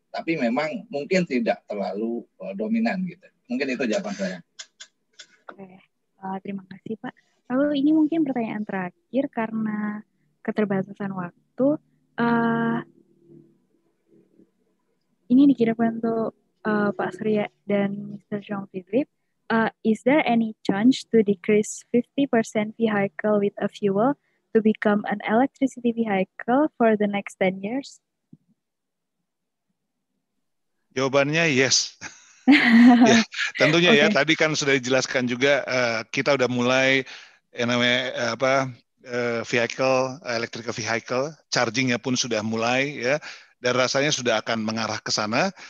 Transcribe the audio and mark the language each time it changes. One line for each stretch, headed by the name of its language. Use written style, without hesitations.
Indonesian: Tapi memang mungkin tidak terlalu dominan gitu. Mungkin itu jawaban saya. Terima kasih, Pak. Lalu ini mungkin pertanyaan terakhir karena keterbatasan waktu. Ini dikira untuk Pak Surya dan Mr. Jean Philippe.
English: Is there any chance to decrease 50% vehicle with a fuel to become an electricity vehicle for the next 10 years?
Indonesian: Jawabannya yes. Ya, tentunya okay. Ya, tadi kan sudah dijelaskan juga kita udah mulai electrical vehicle charging-nya pun sudah mulai ya, dan rasanya sudah akan mengarah ke sana.